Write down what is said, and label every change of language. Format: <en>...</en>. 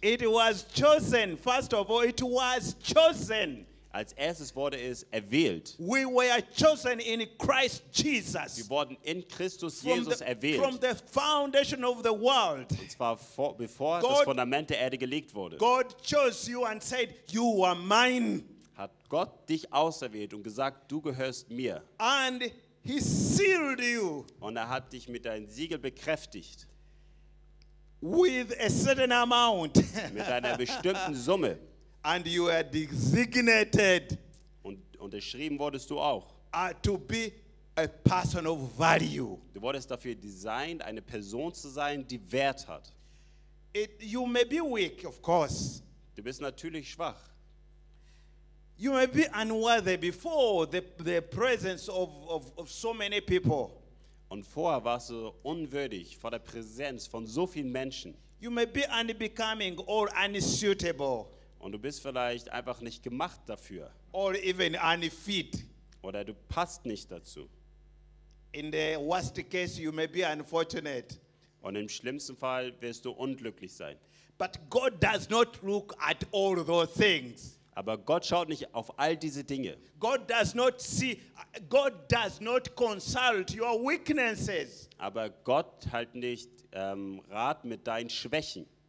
<en>It was chosen. First of all, it was chosen.</en> <de>Als erstes wurde es erwählt.</de> <en>We were chosen in Christ Jesus.</en> <de>Wir wurden in Christus Jesus erwählt.</de> <en>From the foundation of the world.</en> <de>Und zwar bevor das Fundament der Erde gelegt wurde.</de> <en>God chose you and said, you are mine.</en> <de>hat Gott dich auserwählt und gesagt, du gehörst mir.</de> <en>And he sealed you.</en> <de>Und hat dich mit deinem Siegel bekräftigt.</de> <en>With a certain amount.</en> <de>Mit einer bestimmten Summe.</de> <en>And you are designated.</en> <de>Und unterschrieben wurdest du auch.</de> <en>To be a person of value.</en> <de>Du wurdest dafür designed, eine Person zu sein, die Wert hat.</de> <en>You may be weak, of course.</en> <de>Du bist natürlich schwach.</de> <en>You may be unworthy before the presence of so many people.</en> <de>Und vorher warst du unwürdig vor der Präsenz von so vielen Menschen.</de> <en>You may be unbecoming or unsuitable.</en> <de>Und du bist vielleicht einfach nicht gemacht dafür.</de> <en>Or even unfit.</en> <de>Oder du passt nicht dazu.</de> <en>In the worst case, you may be unfortunate.</en> <de>Und im schlimmsten Fall wirst du unglücklich sein.</de> <en>But God does not look at all those things.</en> <de>Aber Gott schaut nicht auf all diese Dinge.</de> <en>God does not see, God does not consult your weaknesses.</en> <de>Aber Gott hält nicht Rat mit deinen Schwächen.</de>